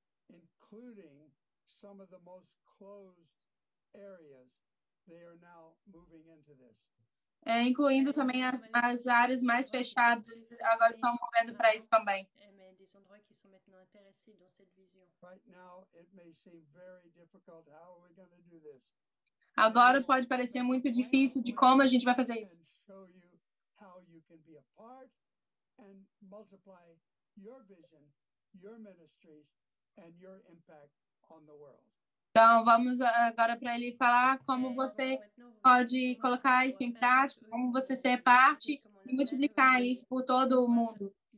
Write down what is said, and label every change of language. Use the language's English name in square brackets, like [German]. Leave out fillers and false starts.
[English] Including some of the most closed areas, they are now moving into this. [Portuguese] É, incluindo também as, as áreas mais fechadas, eles agora estão movendo para isso também. [English] Right now, it may seem very difficult. How are we going to do this? [Portuguese] Agora pode parecer muito difícil de como a gente vai fazer isso. [English] Show you how you can be a part and multiply your vision, your ministries, and your impact on the world. [Portuguese] Então vamos agora para ele falar como você pode colocar isso em prática, como você ser parte e multiplicar isso por todo o mundo.